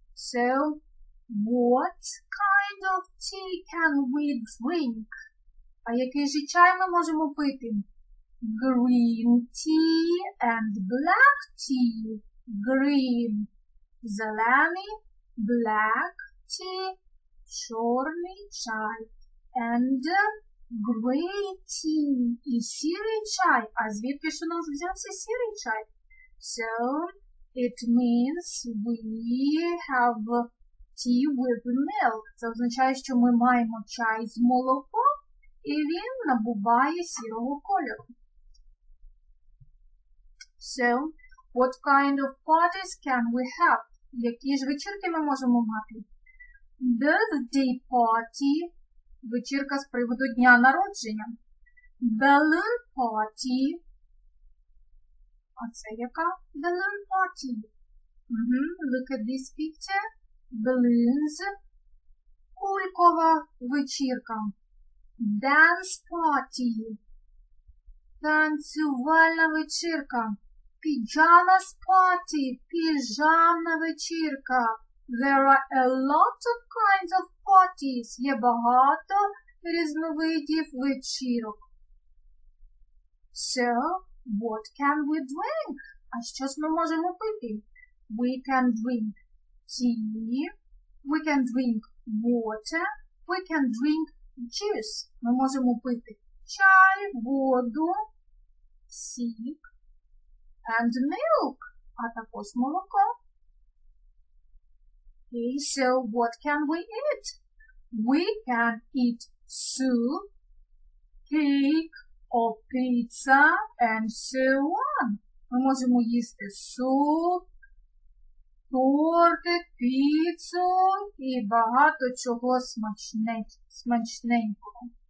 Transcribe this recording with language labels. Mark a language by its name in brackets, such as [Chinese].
[English] So, what kind of tea can we drink? [Ukrainian] А який же чай ми можемо пити? [English] Green tea and black tea. Green. [Ukrainian] Зелений, [English] black tea, [Ukrainian] чорний чай. [English] And gray tea. [Ukrainian] І сірий чай. А звідки ж у нас взявся сірий чай? [English] So, it means we have tea with milk. [Ukrainian] Це означає, що ми маємо чай з молоком, і він набуває сірого кольору. [English] So, what kind of parties can we have? [Ukrainian] Які ж вечірки ми можемо мати? [English] Birthday party [Ukrainian] – вечірка з приводу дня народження. [English] Balloon party – [Ukrainian] а це яка? [English] Balloon party. Mm-hmm. Look at this picture. Balloons. [Ukrainian] Кулькова вечірка. [English] Dance party. [Ukrainian] Танцювальна вечірка. [English] Pyjamas party. [Ukrainian] Піжамна вечірка. [English] There are a lot of kinds of parties. [Ukrainian] Є багато різновидів вечірок. [English] So, what can we drink? [Ukrainian] А що ж ми можемо пити? [English] We can drink tea. We can drink water. We can drink juice. [Ukrainian] Ми можемо пити чай, воду, сік, [English] and milk. [Ukrainian] А також молоко. [English] Okay, so what can we eat? We can eat soup, cake, or pizza, and so on. [Ukrainian] Ми можемо їсти суп, торти, піцу і багато чого смачненького.